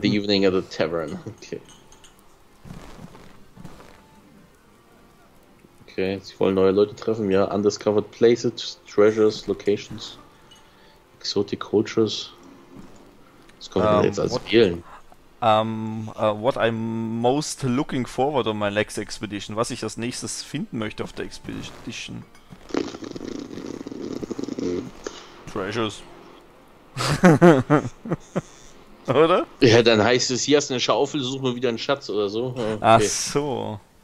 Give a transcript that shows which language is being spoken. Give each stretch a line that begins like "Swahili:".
English: Spend the evening at the tavern. Okay.
German: Okay, sie wollen neue Leute treffen, ja.
English: Undiscovered places, treasures, locations, exotic cultures.
German: Das kommt jetzt als spielen.
English: What I'm most looking forward on my next expedition.
German: Was ich als nächstes finden möchte auf der Expedition.
English: Treasures.
German: Oder? Ja, dann heißt es, hier hast du eine Schaufel, such mal wieder einen Schatz oder so. Okay. Ach so.